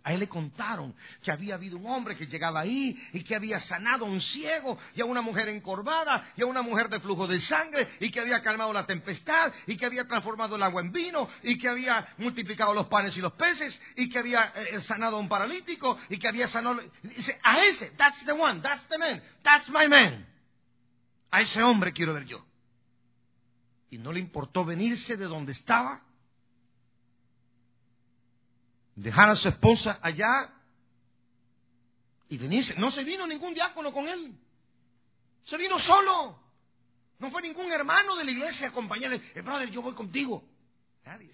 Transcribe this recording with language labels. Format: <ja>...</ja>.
<es>A él le contaron que había habido un hombre que llegaba ahí y que había sanado a un ciego y a una mujer encorvada y a una mujer de flujo de sangre y que había calmado la tempestad y que había transformado el agua en vino y que había multiplicado los panes y los peces y que había sanado a un paralítico y que había sanado... Dice, a ese,</es> <en>that's the one, that's the man, that's my man.</en> <es>A ese hombre quiero ver yo. Y no le importó venirse de donde estaba, dejar a su esposa allá y venirse. No se vino ningún diácono con él. Se vino solo. No fue ningún hermano de la iglesia a acompañarle. Brother, yo voy contigo. Nadie.</es>